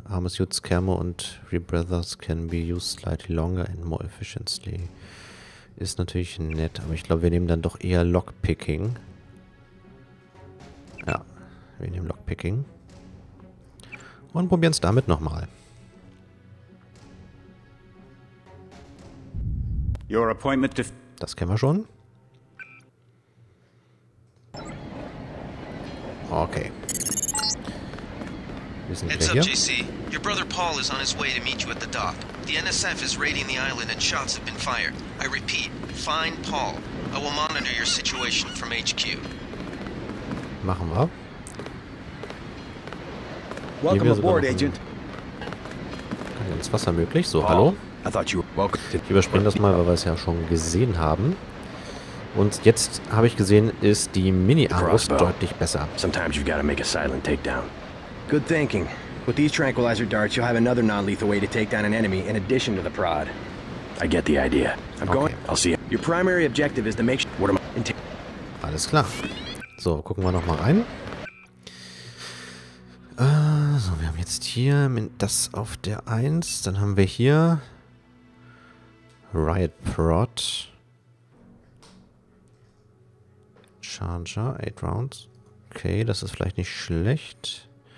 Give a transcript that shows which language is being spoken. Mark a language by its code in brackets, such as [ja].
[en] Armor suits, Camo und Rebreathers can be used slightly longer and more efficiently. [de] Ist natürlich nett, aber ich glaube, wir nehmen dann doch eher Lockpicking. Ja, wir nehmen Lockpicking. Und probieren es damit nochmal. [en] Your appointment def- [de] das kennen wir schon. Okay. [en] Heads up, JC. Your brother Paul is on his way to meet you at the dock. The NSF is raiding the island and shots have been fired. I repeat, find Paul. I will monitor your situation from HQ. [de] Machen wir. [en] Welcome aboard, Agent. [de] Kann ins Wasser möglich? So, hallo. Ich überspringe das mal, weil wir es ja schon gesehen haben. Und jetzt habe ich gesehen, ist die Mini-Armbrust deutlich besser. [en] Sometimes you've got to make a silent takedown. Good thinking. With these tranquilizer darts, you'll have another non-lethal way to take down an enemy in addition to the prod. I get the idea. I'm going. Okay. I'll see you. Your primary objective is to make sure. [de] Alles klar. So, gucken wir nochmal rein. So, wir haben jetzt hier das auf der 1. Dann haben wir hier Riot Prod. Charger, 8 Rounds. Okay, das ist vielleicht nicht schlecht.